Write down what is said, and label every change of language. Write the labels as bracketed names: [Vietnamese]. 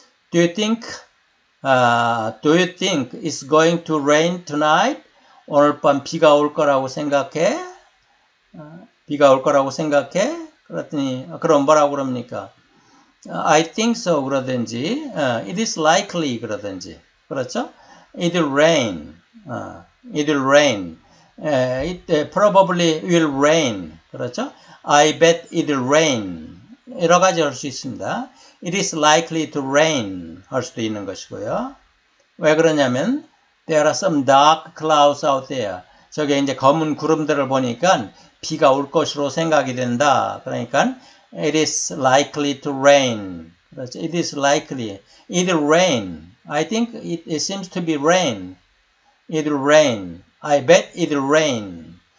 [English] Do you think it's going to rain tonight? [Korean] 오늘 밤 비가 올 거라고 생각해? 비가 올 거라고 생각해? 그랬더니 그럼 뭐라고 그럽니까? [English] I think so [Korean] 그러든지 [English] it is likely [Korean] 그러든지 그렇죠? [English] It'll rain. It probably will rain. [Korean] 그렇죠? [English] I bet it'll rain. [Korean] 여러 가지 할 수 있습니다. [English] It is likely to rain. [Korean] 할 수도 있는 것이고요. 왜 그러냐면, [English] there are some dark clouds out there. [Korean] 저게 이제 검은 구름들을 보니까 비가 올 것으로 생각이 된다. 그러니까, [English] it is likely to rain. [Korean] 그렇죠? [English] It is likely. It'll rain. I think it seems to be rain. It'll rain. I bet it'll rain.